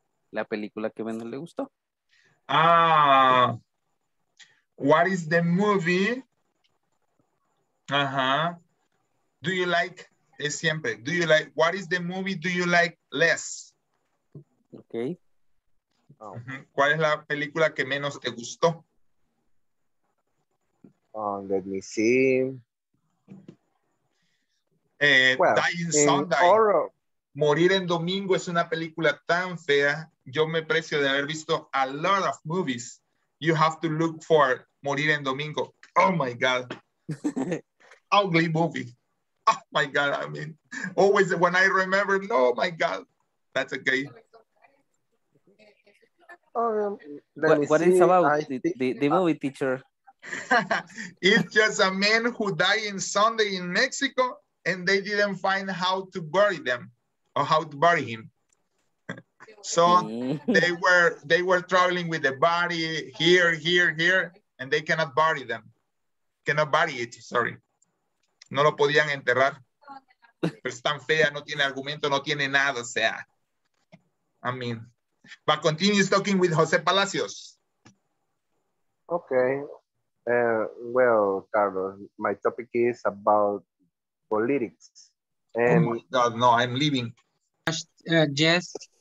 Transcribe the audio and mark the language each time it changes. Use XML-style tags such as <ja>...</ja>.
<es>La película que menos le gustó.</es> <en>Ah, what is the movie? Ajá. Do you like,</en> <es>es siempre,</es> <en>do you like, what is the movie do you like less? Ok. Oh.</en> <es>¿Cuál es la película que menos te gustó?</es> <en>Let me see. Dying Sunday.</en> <es>Morir en Domingo es una película tan fea. Yo me precio de haber visto</es> <en>a lot of movies. You have to look for Morir en Domingo. Oh my God. Ugly movie. Oh my God. I mean, always when I remember, no, my God. That's okay. What is about the movie, teacher? It's just a man who died on Sunday in Mexico and they didn't find how to bury them or how to bury him. So they were traveling with the body here, and they cannot bury them. Cannot bury it, sorry.</en> <es>No lo podían enterrar. Pero es tan fea, no tiene argumento, no tiene nada, o sea.</es> <en>I mean, but continues talking with Jose Palacios. Okay. Well, Carlos, my topic is about politics. And oh my God, no, I'm leaving. Yes.</en>